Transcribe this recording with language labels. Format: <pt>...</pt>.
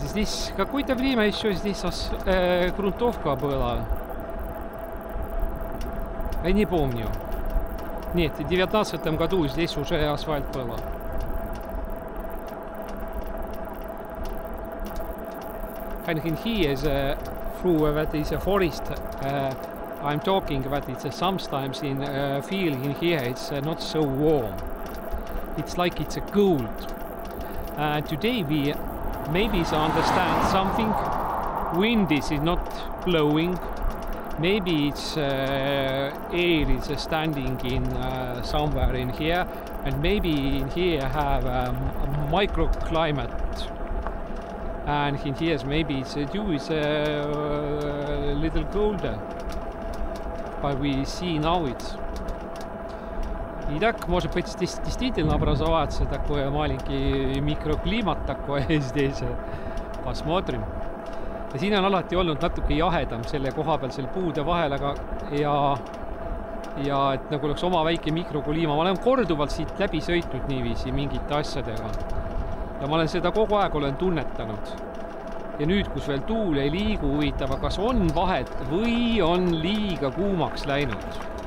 <ru>Здесь какое-то время еще здесь грунтовка была. Я не помню. Нет, в 2019 году здесь уже асфальт был.</ru> <en>And in here is a through that is a forest. I'm talking about it's sometimes in feel in here it's not so warm. It's like it's a cold. Today we maybe understand something. Wind is not blowing. Maybe it's air is standing in somewhere in here, and maybe in here have a microclimate. And in here, maybe it's dew is a little colder, but we see now it.</en> <ru>И так, может быть, действительно образовывается такое маленький микроклимат такой здесь. Посмотрим.</ru> <et>Ja siin on alati olnud natuke jahedam selle koha peal, selle puude vahel, aga ja et nagu oleks oma väike mikrokliima. Ma olen korduvalt siit läbi sõitnud niiviisi mingite asjadega. Ja ma olen seda kogu aeg olen tunnetanud. Ja nüüd, kus veel tuul ei liigu, huvitava, kas on vahet või on liiga kuumaks läinud.</et>